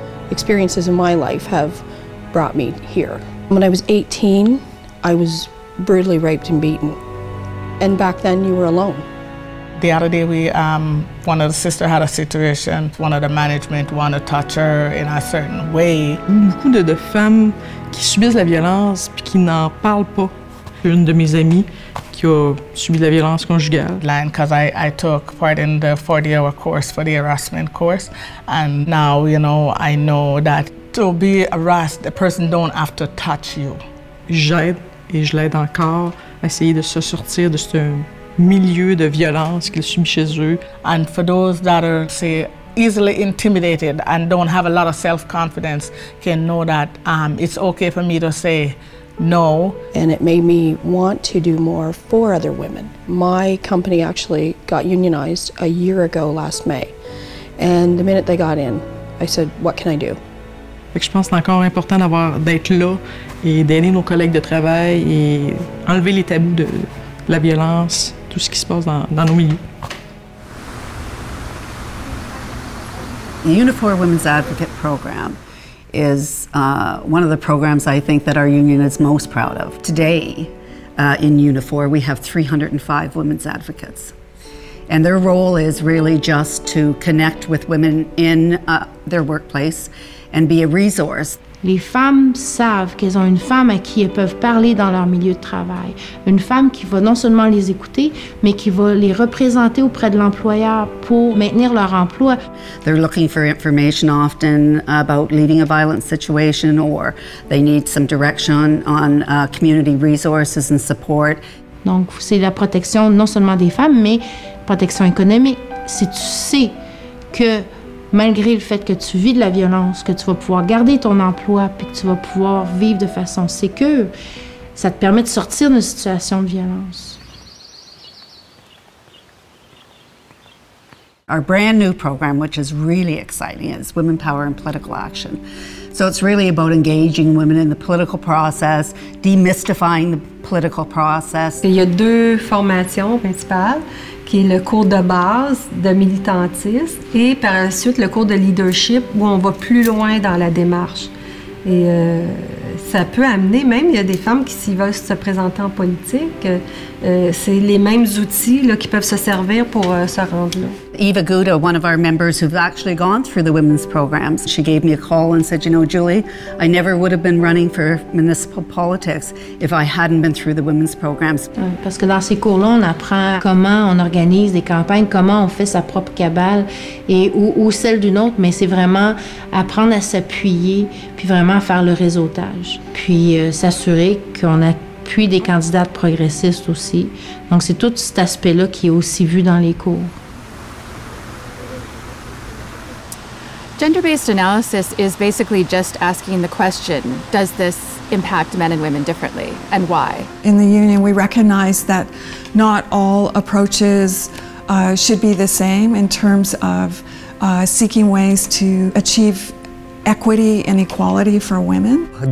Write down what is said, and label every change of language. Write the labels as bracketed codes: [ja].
[en] Experiences in my life have brought me here. When I was 18, I was brutally raped and beaten. And back then you were alone. The other day, one of the sisters had a situation. One of the management wanted to touch her in a certain way. [fr] Beaucoup de femmes qui subissent la violence puis qui n'en parlent pas. Une de mes amies qui a subi de la violence conjugale. [en] Line, because I took part in the 40-hour course for the harassment course, and now you know I know that to be harassed, the person don't have to touch you. [fr] J'aide et je l'aide encore à essayer de se sortir de ce milieu de violence qu'ils subissent chez eux. [en] And for those that are, say, easily intimidated and don't have a lot of self-confidence can know that it's okay for me to say no. And it made me want to do more for other women. My company actually got unionized a year ago last May. And the minute they got in, I said, what can I do? [fr] Fait que je pense que c'est encore important d'avoir d'être là et d'aider nos collègues de travail et enlever les tabous de la violence, tout ce qui se passe dans nos milieux. [en] The Unifor Women's Advocate Program is one of the programs I think that our union is most proud of. Today, in Unifor, we have 305 women's advocates. And their role is really just to connect with women in their workplace and be a resource. [fr] Les femmes savent qu'elles ont une femme à qui elles peuvent parler dans leur milieu de travail. Une femme qui va non seulement les écouter, mais qui va les représenter auprès de l'employeur pour maintenir leur emploi. [en] They're looking for information often about leaving a violent situation or they need some direction on community resources and support. [fr] Donc, c'est la protection non seulement des femmes, mais protection économique. Si tu sais que malgré le fait que tu vis de la violence, que tu vas pouvoir garder ton emploi puis que tu vas pouvoir vivre de façon sécure, ça te permet de sortir d'une situation de violence. [en] Our brand new program, which is really exciting, is Women Power and Political Action. So it's really about engaging women in the political process, demystifying the political process. [fr] Il y a deux formations principales, qui est le cours de base de militantisme et par la suite le cours de leadership où on va plus loin dans la démarche. Et ça peut amener, même il y a des femmes qui s'y veulent se présenter en politique, c'est les mêmes outils là, qui peuvent se servir pour se rendre là. [en] Eva Gouda, one of our members who've actually gone through the women's programs, she gave me a call and said, you know, Julie, I never would have been running for municipal politics if I hadn't been through the women's programs. [fr] Parce que dans ces cours-là, on apprend comment on organise des campagnes, comment on fait sa propre cabale et ou celle d'une autre, mais c'est vraiment apprendre à s'appuyer puis vraiment faire le réseautage, puis s'assurer qu'on a puis des candidates progressistes aussi. Donc c'est tout cet aspect-là qui est aussi vu dans les cours. [en] Gender-based analysis is basically just asking the question, does this impact men and women differently, and why? In the union, we recognize that not all approaches should be the same in terms of seeking ways to achieve equity and equality for women.